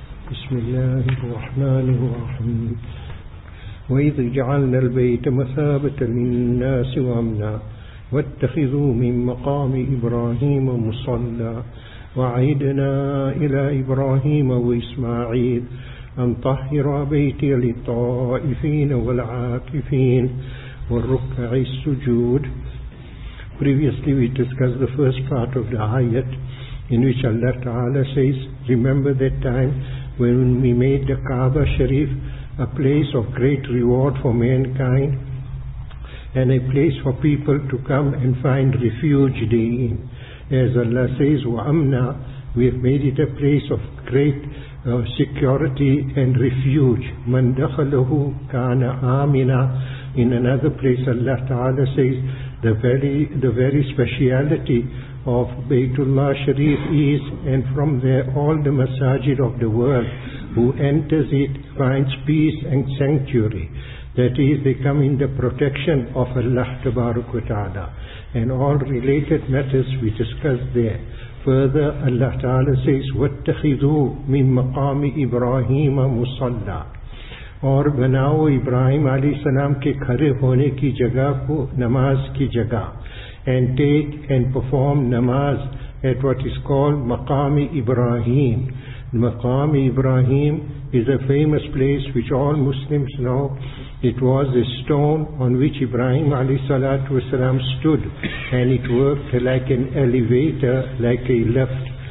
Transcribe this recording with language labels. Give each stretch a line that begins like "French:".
Arabic: بسم الله الرحمن الرحيم. وإذ جعلنا البيت مثابة للناس وأمنا واتخذوا من مقام إبراهيم مصلى وعيدنا إلى إبراهيم وإسماعيل أن طهر بيتي للطائفين والعاكفين والركع السجود.
English: Previously we discussed the first part of the ayat, in which Allah Ta'ala says, remember that time when we made the Kaaba Sharif a place of great reward for mankind and a place for people to come and find refuge therein. As Allah says, وَأَمْنَا, we have made it a place of great security and refuge.
Arabic: مَنْ دَخَلَهُ كَانَ آمِنًا.
English: In another place Allah Ta'ala says, the very speciality of Baytullah Sharif is, and from there all the masajid of the world, who enters it finds peace and sanctuary. That is, they come in the protection of Allah Tabaraka wa Ta'ala. And all related matters we discuss there. Further, Allah Ta'ala says,
Arabic: وَاتَّخِذُوا مِن مَقَامِ إِبْرَاهِيمَ مُصَلَّى,
Urdu: اور بناو ابراہیم علیہ السلام کے کھڑے ہونے کی جگہ کو نماز کی جگہ.
English: And take and perform namaz at what is called Maqami Ibrahim. Maqami Ibrahim is a famous place which all Muslims know. It was a stone on which Ibrahim alayhi salatu wasalam stood, and it worked like an elevator, like a lift.